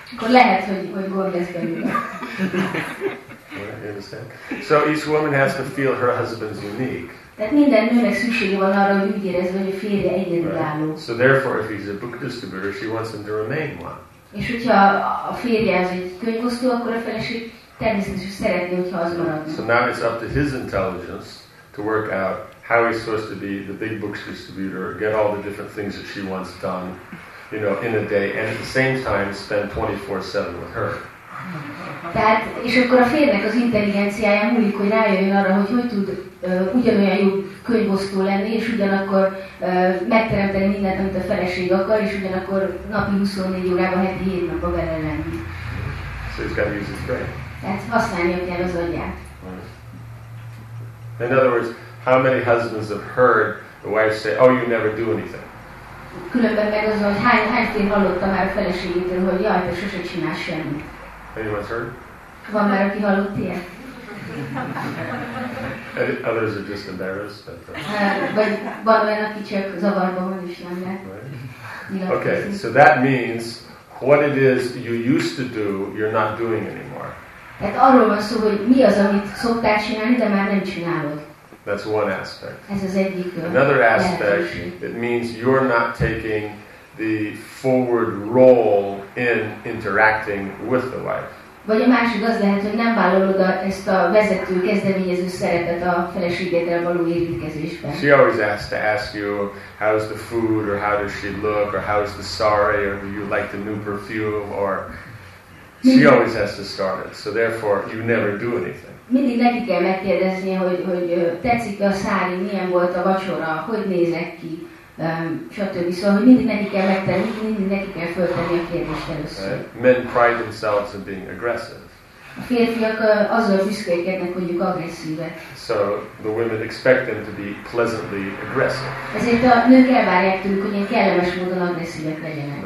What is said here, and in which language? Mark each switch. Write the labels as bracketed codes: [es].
[hu] Akkor lehet, hogy gond lesz belőle. [en] So each woman has to feel her husband's unique. [hu] Tehát minden nőnek szüksége van arra, hogy úgy érezze, hogy a férje egyedülálló. [en] Right. So therefore, if he's a book distributor, she wants him to remain one. [hu] És hogyha a férje az egy könyvosztó, akkor a feleség természetesen szeretné, hogyha az marad. [en] So now it's up to his intelligence to work out how he's supposed to be the big book distributor, get all the different things that she wants done, you know, in a day, and at the same time spend 24/7 with her. [hu] Tehát, és akkor a férnek az intelligenciája múlik, hogy rájöjjön arra, hogy hogy tud ugyanolyan jó könyvosztó lenni, és ugyanakkor megteremteni mindent, amit a feleség akar, és ugyanakkor napi 24 órában, heti 7 napban vele lenni. [en] So he's got to use his brain. [hu] Tehát használni kell az agyát. [en] In other words, how many husbands have heard the wife say, oh, you never do anything? [hu] Különben meg az, hogy hányszor hallottam már a feleségétől, hogy jaj, te sose csinálsz semmit. [en] Anyone's heard? [hu] Van már, aki hallott ilyet? [en] Others are just embarrassed. But, [hu] vagy van olyan, aki csak zavarban van is, nem lehet. [en] Right? Okay, so that means what it is you used to do, you're not doing anymore. [hu] Tehát arról van szó, hogy mi az, amit szoktál csinálni, de már nem csinálod. [en] That's one aspect. [hu] Ez az egyik. [en] Another aspect, it means you're not taking the forward role in interacting with the wife. [hu] Vagy a másik az lehet, hogy nem vállalod ezt a vezető, kezdeményező szerepet a feleségeddel való érintkezésben. [en] She always has to ask you, how's the food, or how does she look, or how's the sari, or do you like the new perfume, or... She always has to start it, so therefore you never do anything. [hu] Mindig neki kell megkérdeznie, hogy tetszik-e a sari, milyen volt a vacsora, hogy nézek ki. Stb. Szóval, hogy mindig neki kell megtenni, mindig neki kell föltenni a kérdést először. [en] Right. Men pride themselves in being aggressive. [hu] A férfiak azzal büszkélkednek, hogy ők agresszívek. [en] So the women expect them to be pleasantly aggressive. [hu] Ezért a nők elvárják tőlük, hogy ilyen kellemes módon agresszívek legyenek.